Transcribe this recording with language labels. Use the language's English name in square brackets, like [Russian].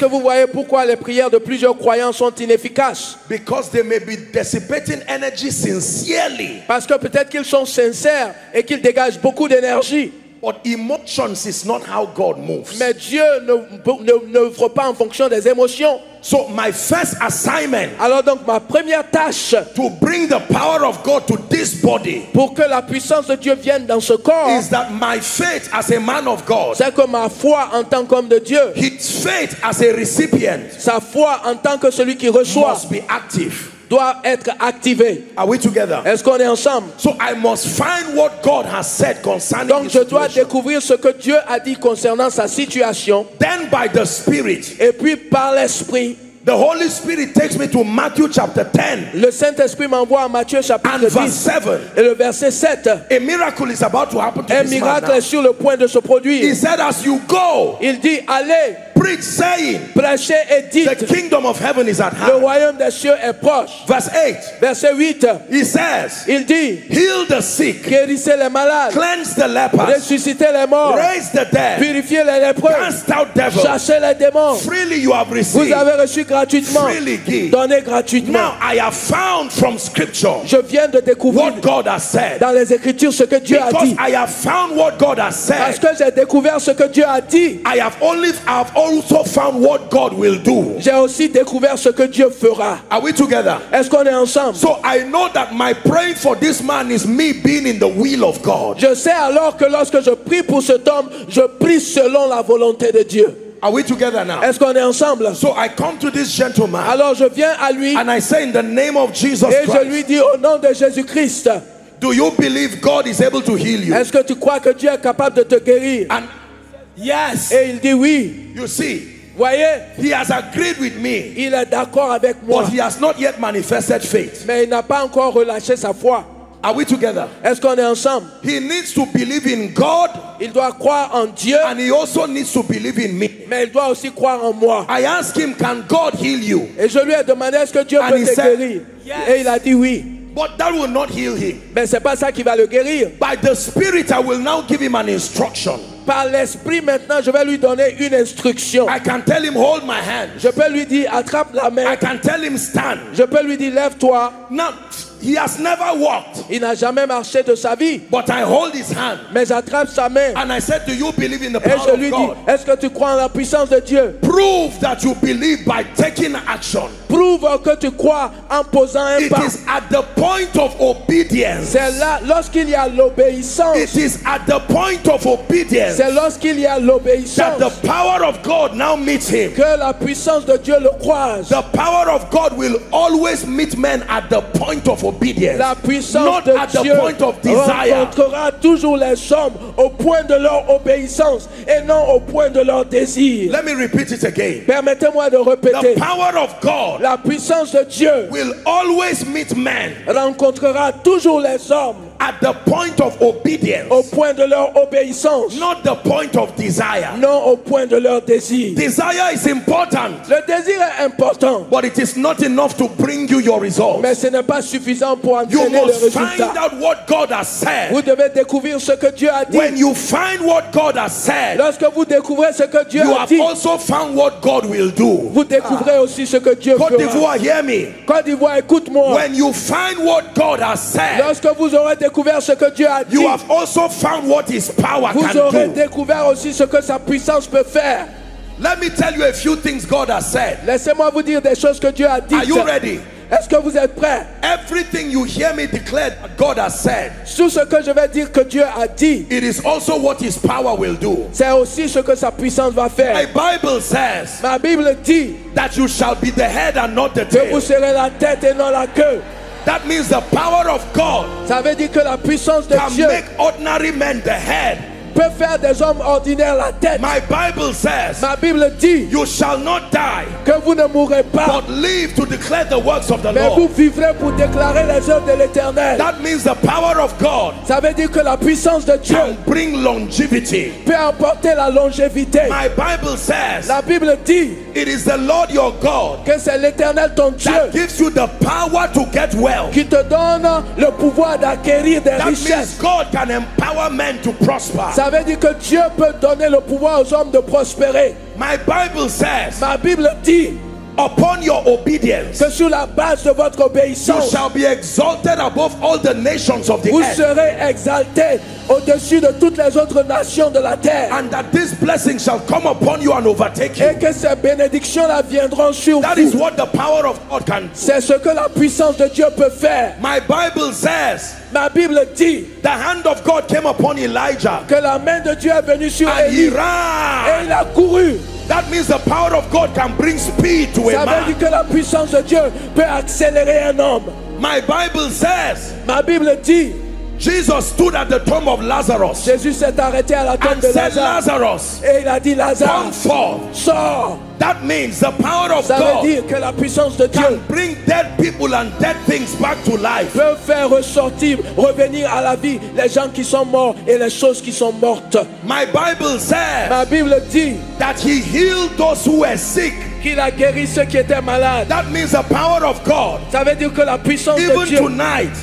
[French] Est-ce que vous voyez pourquoi les prières de plusieurs croyants sont inefficaces? [English] Because they may be dissipating energy sincerely. [French] Parce que peut-être qu'ils sont sincères et qu'ils dégagent beaucoup d'énergie. [English] But emotions is not how God moves. [French] Mais Dieu ne pas en fonction des émotions. [English] So my first assignment, [French] alors donc ma première tâche, [English] to bring the power of God to this body, [French] pour que la puissance de Dieu vienne dans ce corps, [English] is that my faith as a man of God, [French] c'est que ma foi en tant qu'homme de Dieu, [English] his faith as a recipient, [French] sa foi en tant que celui qui reçoit, [English] must be active, [French] doit être activé. [English] Are we together? [French] Est-ce qu'on est ensemble? [English] So I must find what God has said concerning [French] donc je dois découvrir ce que Dieu a dit concernant sa situation. [English] Then by the Spirit, [French] et puis par l'Esprit, [English] the Holy Spirit takes me to Matthew chapter 10. [French] Le Saint-Esprit m'envoie à Matthieu chapitre 10. [English] And verse 7. [French] Et le verset 7. [English] A miracle is about to happen to this man. [French] Un miracle est sur le point de se produire. [English] He said, as you go, [French] il dit, allez, [English] preach saying, [French] prêchez et dites, [English] the kingdom of heaven is at hand. [French] Le royaume des cieux est proche. [English] Verse 8. [French] Verset 8. [English] He says, [French] il dit, [English] heal the sick, [French] guérissez les malades, [English] cleanse the lepers, [French] ressuscitez les morts, [English] raise the dead, [French] purifiez les lépreux, [English] cast out devils, [French] chassez les démons. [English] Freely you have received, [French] vous avez reçu gratuitement, [English] freely give, [French] donnez gratuitement. [English] Now I have found from Scripture, [French] je viens de découvrir [English] what God has said, [French] dans les Écritures ce que Dieu a dit. [English] I have found what God has said, [French] parce que j'ai découvert ce que Dieu a dit. [English] I have also found what God will do. [French] J'ai aussi découvert ce que Dieu fera. [English] Are we together? [French] Est-ce qu'on est ensemble? [English] So I know that my praying for this man is me being in the will of God. [French] Je sais alors que lorsque je prie pour cet homme, je prie selon la volonté de Dieu. [English] Are we together now? [French] Est-ce qu'on est ensemble? [English] So I come to this gentleman. [French] Alors je viens à lui. [English] And I say in the name of Jesus [French] et [English] Christ. [French] Et je lui dis au nom de Jésus Christ. [English] Do you believe God is able to heal you? [French] Est-ce que tu crois que Dieu est capable de te guérir? [English] And yes. [French] Et il dit oui. [English] You see, [French] voyez, [English] he has agreed with me. [French] Il est d'accord avec moi. [English] But he has not yet manifested faith. [French] Mais il n'a pas encore relâché sa foi. [English] Are we together? [French] Est-ce qu'on est ensemble? [English] He needs to believe in God. [French] Il doit croire en Dieu. [English] And he also needs to believe in me. [French] Mais il doit aussi croire en moi. [English] I ask him, can God heal you? [French] Et je lui ai demandé, est-ce que Dieu [English] and [French] peut te [English] said, [French] guérir? [English] Yes. [French] Et il a dit oui. [English] But that will not heal him. [French] Mais c'est pas ça qui va le guérir. [English] By the Spirit, I will now give him an instruction. [French] Par l'esprit maintenant, je vais lui donner une instruction. [English] I can tell him, hold my hand. [French] Je peux lui dire attrape la main. [English] I can tell him, stand. [French] Je peux lui dire lève-toi. [English] Now, he has never walked. [French] Il n'a jamais marché de sa vie. [English] But I hold his hand. [French] Mais j'attrape sa main. [English] And I said, do you believe in the power of God? [French] Et je lui dis, est-ce que tu crois en la puissance de Dieu? [English] Prove that you believe by taking action. [French] Prouve que tu crois en posant un pas. [English] It is at the point of obedience. [French] C'est là lorsqu'il y a l'obéissance. [English] It is at the point of obedience. [French] C'est lorsqu'il y a l'obéissance [English] that the power of God now meets him. [French] Que la puissance de Dieu le croise. [English] The power of God will always meet men at the point of obedience. [French] La puissance [English] not [French] de [English] at [French] Dieu [English] the point of desire. [French] Rencontrera toujours les hommes au point de leur obéissance et non au point de leur désir. [English] Let me repeat it again. [French] Permettez-moi de répéter. [English] The power of God, [French] la puissance de Dieu, [English] will always meet men. [French] Rencontrera toujours les hommes [English] at the point of obedience, [French] au point de leur obéissance, [English] not the point of desire, [French] non au point de leur désir. [English] Desire is important, [French] le désir est important, [English] but it is not enough to bring you your results. [French] Mais ce n'est pas suffisant pour entraîner le résultat. [English] You must find out what God has said. [French] Vous devez découvrir ce que Dieu a dit. [English] When you find what God has said, [French] lorsque vous découvrez ce que Dieu [English] you [French] a [English] have [French] dit, [English] also found what God will do. [French] Vous découvrez aussi ce que Dieu fera. [English] Côte d'Ivoire, hear me. [French] Côte d'Ivoire, écoute-moi. [English] When you find what God has said, [French] lorsque vous aurez découvert ce que Dieu a dit, [English] you have also found what his power can do. [French] Vous aurez découvert aussi ce que sa puissance peut faire. [English] Let me tell you a few things God has said. [French] Laissez-moi vous dire des choses que Dieu a dites. [English] Are you ready? [French] Est-ce que vous êtes prêt? [English] Everything you hear me declare God has said. [French] Tout ce que je vais dire que Dieu a dit. [English] It is also what his power will do. [French] C'est aussi ce que sa puissance va faire. [English] My Bible says. [French] Ma Bible dit [English] that you shall be the head and not the tail. [French] Que vous serez la tête et non la queue. [English] That means the power of God. [French] J'avais dit que la puissance de Dieu [English] make ordinary men the head. [French] Peut faire des hommes ordinaires la tête. [English] My Bible says, [French] ma Bible dit, [English] you shall not die, [French] que vous ne mourrez pas, [English] but live to declare the works of the [French] mais [English] Lord. [French] Vous vivrez pour déclarer les œuvres de l'Éternel. [English] That means the power of God. [French] Ça veut dire que la puissance de Dieu [English] can bring longevity. [French] Peut apporter la longévité. [English] My Bible says, [French] la Bible dit, [English] it is the Lord your God, [French] que c'est l'Éternel ton Dieu, [English] that gives you the power to get well, [French] qui te donne le pouvoir d'acquérir des [English] that [French] richesses. [English] That means God can empower men to prosper. [French] Ça veut dire que Dieu peut donner le pouvoir aux hommes de prospérer. [English] My Bible says, [French] ma Bible dit, [English] upon your obedience, [French] que sur la base de votre obéissance, [English] you shall be exalted above all the nations of the [French] vous [English] earth. [French] Serez exalté au-dessus de toutes les autres nations de la terre. [English] And that this blessing shall come upon you and overtake you. [French] Et que ces bénédictions-là viendront sur [English] that [French] vous. [English] Is what the power of God can do. [French] C'est ce que la puissance de Dieu peut faire. [English] My Bible says, [French] ma Bible dit, [English] the hand of God came upon Elijah, [French] que la main de Dieu est venue sur [English] and [French] Elie, [English] he ran. [French] Et il a couru. [English] That means the power of God can bring speed to [French] ça [English] a man. [French] Ça veut dire que la puissance de Dieu peut accélérer un homme. [English] My Bible says, [French] ma Bible dit, [English] Jesus stood at the tomb of Lazarus. [French] Jésus s'est arrêté à la tombe [English] de [French] Lazare. [English] Said Lazarus, [French] et il a dit Lazare, [English] come forth. [French] Sors. [English] That means the power of [French] ça veut [English] God [French] dire que la puissance de Dieu [English] can bring dead people and dead things back to life. [French] Peut faire ressortir, revenir à la vie les gens qui sont morts et les choses qui sont mortes. [English] My Bible says, [French] ma Bible dit, [English] that he healed those who were sick. [French] Qu'il a guéri ceux qui étaient malades. [English] That means the power of God. [French] Ça veut dire que la puissance [English] even [French] de Dieu, [English] tonight,